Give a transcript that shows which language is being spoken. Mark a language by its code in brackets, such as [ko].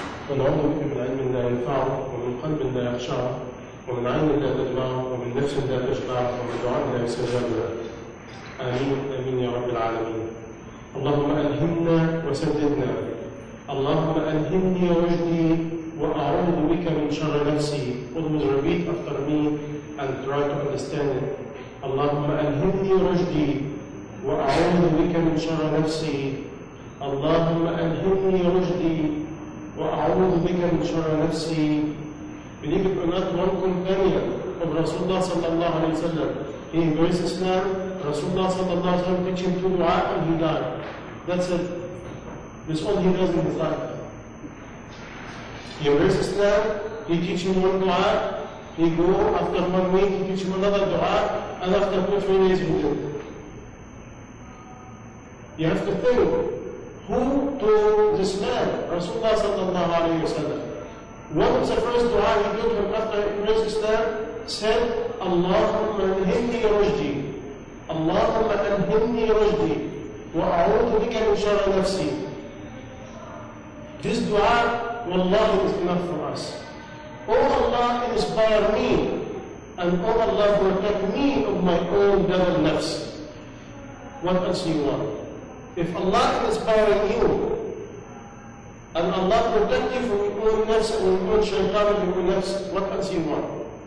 [ar] ونعوذ بك من علم لا ينفع ومن قلب لا يخشع ومن عين لا تدمع ومن نفس لا تشبع ومن دعاء لا يستجاب له. امين يا رب العالمين. اللهم ألهمنا وسددنا. اللهم ألهمني رشدي وأعوذ بك من شر نفسي. [en] أضمن repeat after me and try to understand it. [ar] اللهم ألهمني رشدي وأعوذ بك من شر نفسي. اللهم ألهمني رشدي وأعوذ بك من شر نفسي. [en] Believe it or not, one companion of Rasulullah [ar] صلى الله عليه وسلم, [en] he embraced Islam. Rasulullah sallallahu alayhi wa sallam teaching two du'a and he died. That's it. That's all he does in his life. He embraces Islam, he teaches one du'a, he go after 1 week, he teaches another du'a, and after 2-3 days he goes. You have to think, who told this man, Rasulullah sallallahu alayhi wa sallam? What was the first du'a he did to him after he embraced Islam? Said, Allahumma alhimni rujdi. [ar] اللهم ألهمني رشدي وأعوذ بك من شر نفسي. [en] This dua, wallahi, is enough for us. Oh Allah, inspire me. And oh Allah, protect me of my own devil nafs. What else do you want? If Allah is inspiring you, and Allah protect you from your own nafs and your own shaitan and your own nafs, what else do you want?